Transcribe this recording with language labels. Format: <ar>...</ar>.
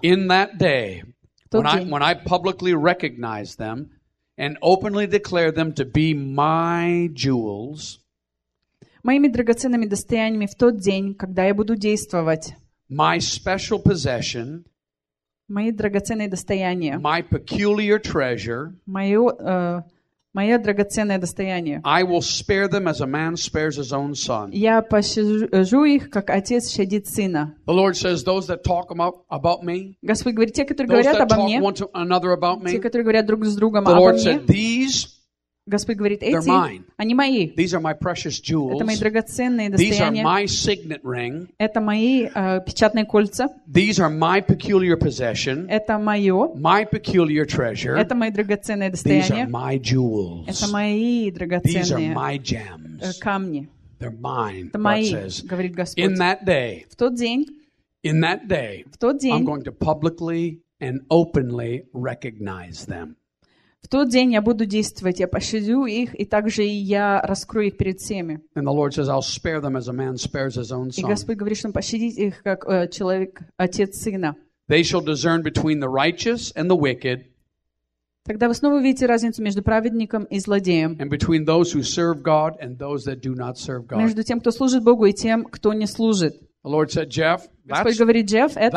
<en>In that day, when I publicly recognize them and openly declare them to be my jewels.</en> <ru>Моими драгоценными достояниями в тот день, когда я буду действовать.</ru> <en>My special possession,</en> <ru>мои драгоценные достояния,</ru> <en>my peculiar treasure,</en> <ru>мое драгоценное достояние,</ru> <en>I will spare them as a man spares his own son.</en> <ru>Я пощажу их, как отец щадит сына.</ru> <en>The Lord says, those that talk about me,</en> <ru>Господь говорит, те, которые говорят обо мне, те, которые говорят друг с другом</ru> <en>the</en> <ru>обо</ru> <en>Lord</en> <ru>мне,</ru> <en>said, these,</en> <ru>Господь говорит, эти, они мои.</ru> <en>These are my precious jewels.</en> <ru>Это мои драгоценные достояния.</ru> <en>These are my signet ring.</en> <ru>Это мои печатные кольца.</ru> <en>These are my peculiar possession.</en> <ru>Это мое.</ru> <en>My peculiar treasure.</en> <ru>Это мои драгоценные достояния.</ru> <en>These are my jewels.</en> <ru>Это мои драгоценные.</ru> <en>These are my gems.</en> <ru>Камни.</ru> <en>They're mine.</en> <ru>Это мои,</ru> <en>God says,</en> <ru>говорит Господь.</ru> <en>In that day.</en> <ru>В тот день.</ru> <en>In that day.</en> <ru>В тот день.</ru> <en>I'm going to publicly and openly recognize them.</en> <ru>В тот день я буду действовать, я пощадю их, и также я раскрою их перед всеми.</ru> <en>And the Lord says, I'll spare them as a man spares his own son.</en> <ru>И Господь говорит, что он пощадит их, как человек, отец сына.</ru> <en>They shall discern between the righteous and the wicked.</en> <ru>Тогда вы снова увидите разницу между праведником и злодеем.</ru> <en>And between those who serve God and those that do not serve God.</en> <ru>Между тем, кто служит Богу, и тем, кто не служит.</ru> <en>The Lord said, Jeff,</en> <ru>Господь говорит, Джефф, это</ru>